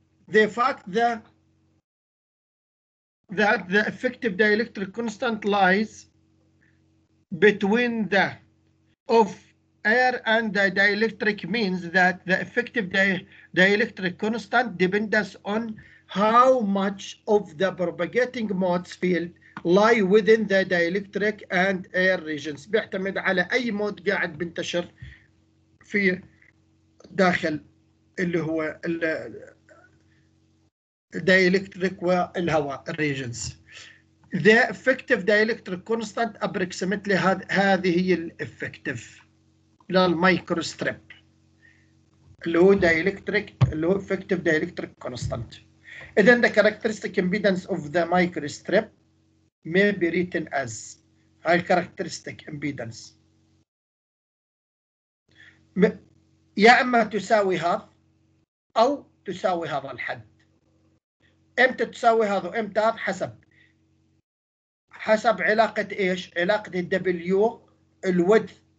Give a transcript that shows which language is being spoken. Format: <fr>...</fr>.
<en>The fact that the effective dielectric constant lies between the of air and the dielectric means that the effective dielectric constant depends on how much of the propagating modes field lie within the dielectric and air regions.</en> <ar>بيعتمد على أي مود قاعد بنتشر في داخل اللي هو dielectric والهواء regions.</ar> <en>The effective dielectric constant approximately</en> <ar>هذه هي الإفكتيف للمايكروستريب اللي هو</ar> <en>dielectric اللي هو effective dielectric constant. Then the characteristic impedance of the microstrip may be written as</en> <ar>هاي الكاركترستيك امبيدنس يا اما تساوي هذا او تساوي هذا الحد امتى تساوي هذا وامتى هذا حسب علاقه ايش علاقه الدبليو الويدث</ar>